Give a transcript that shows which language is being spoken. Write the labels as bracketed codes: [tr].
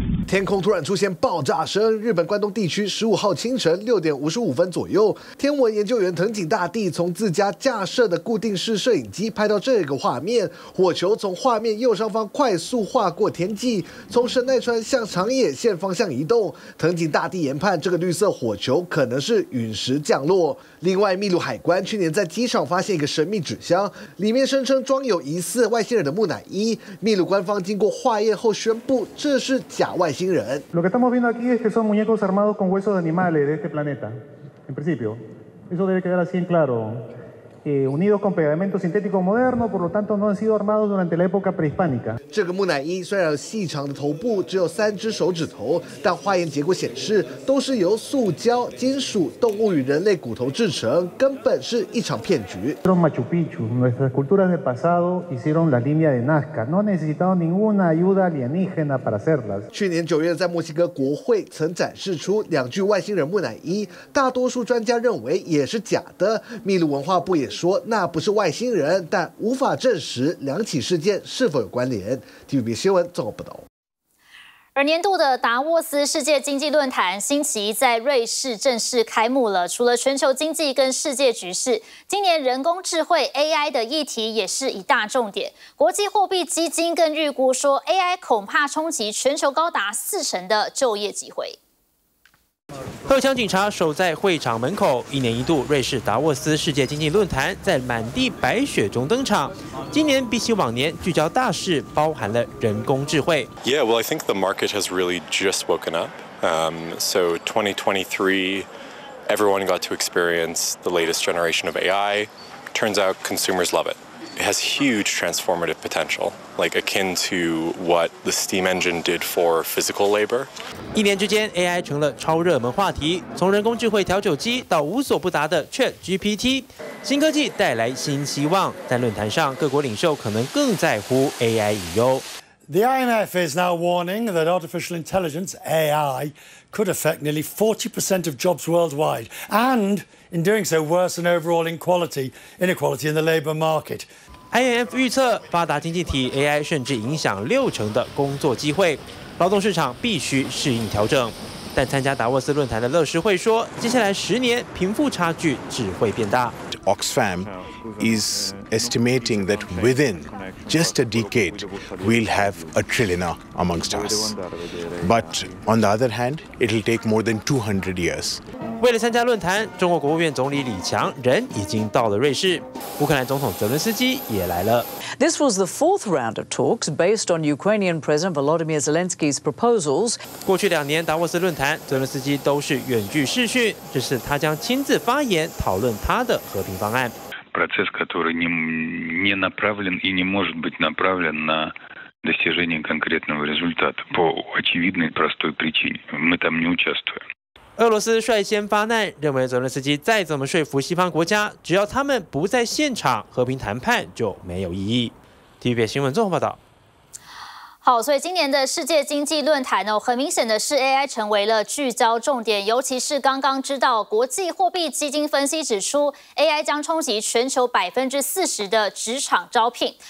[zh] 天空突然出现爆炸声，日本关东地区15号清晨6:55左右，天文研究员藤井大地从自家架设的固定式摄影机拍到这个画面，火球从画面右上方快速划过天际，从神奈川向长野县方向移动。藤井大地研判这个绿色火球可能是陨石降落。另外，秘鲁海关去年在机场发现一个神秘纸箱，里面声称装有疑似外星人的木乃伊。秘鲁官方经过化验后宣布，这是假外星人。 [es] Lo que estamos viendo aquí es que son muñecos armados con huesos de animales de este planeta. En principio, eso debe quedar así en claro. Unidos con pegamento sintético moderno, por lo tanto no han sido armados durante la época prehispánica. [zh] 这个木乃伊虽然有细长的头部，只有3只手指头，但化验结果显示都是由塑胶、金属、动物与人类骨头制成，根本是一场骗局。 [es] Los Machu Picchu, nuestras culturas del pasado hicieron la línea de Nazca, no han necesitado ninguna ayuda alienígena para hacerlas. [zh] 去年九月，在墨西哥国会曾展示出2具外星人木乃伊，大多数专家认为也是假的。秘鲁文化部也说那不是外星人，但无法证实两起事件是否有关联。 TVBS 新闻综合报道。而年度的达沃斯世界经济论坛星期一在瑞士正式开幕了。除了全球经济跟世界局势，今年人工智慧 AI 的议题也是一大重点。国际货币基金更预估说 AI 恐怕冲击全球高达40%的就业机会。荷枪警察守在会场门口，一年一度瑞士达沃斯世界经济论坛在满地白雪中登场。今年比起往年，聚焦大事包含了人工智慧。 [en] Yeah, well, I think the market has really just woken up. So 2023, everyone got to experience the latest generation of AI. Turns out consumers love it. It has huge transformative potential. Like akin to what the steam engine did for physical labor. [zh] 一年之间 ，AI 成了超热门话题。从人工智慧调酒机到无所不达的 ChatGPT， 新科技带来新希望。在论坛上，各国领袖可能更在乎 AI 隐忧。 [en] The IMF is now warning that artificial intelligence AI could affect nearly 40% of jobs worldwide, and in doing so, worsen overall inequality in the labor market. [zh] IMF 预测，发达经济体 AI 甚至影响60%的工作机会，劳动市场必须适应调整。但参加达沃斯论坛的乐视会说，接下来10年贫富差距只会变大。 [en] Oxfam is estimating that within just a decade we'll have a trillionaire amongst us, but on the other hand, it'll take more than 200 years. [zh] 为了参加论坛，中国国务院总理李强人已经到了瑞士，乌克兰总统泽伦斯基也来了。 [en] This was the fourth round of talks based on Ukrainian President Volodymyr Zelensky's proposals. [zh] 过去2年达沃斯论坛，泽伦斯基都是远距视讯，这是他将亲自发言讨论他的和平方案。 [ru] Процесс, который не направлен и не может быть направлен на достижение конкретного результата по очевидной простой причине, мы там не участвуем. [zh] 俄罗斯率先发难，认为泽连斯基再怎么说服西方国家，只要他们不在现场，和平谈判就没有意义。 TVBS 新闻综合报道。好，所以今年的世界经济论坛呢，很明显的是 AI 成为了聚焦重点，尤其是刚刚知道国际货币基金分析指出 AI 将冲击全球40%的职场招聘。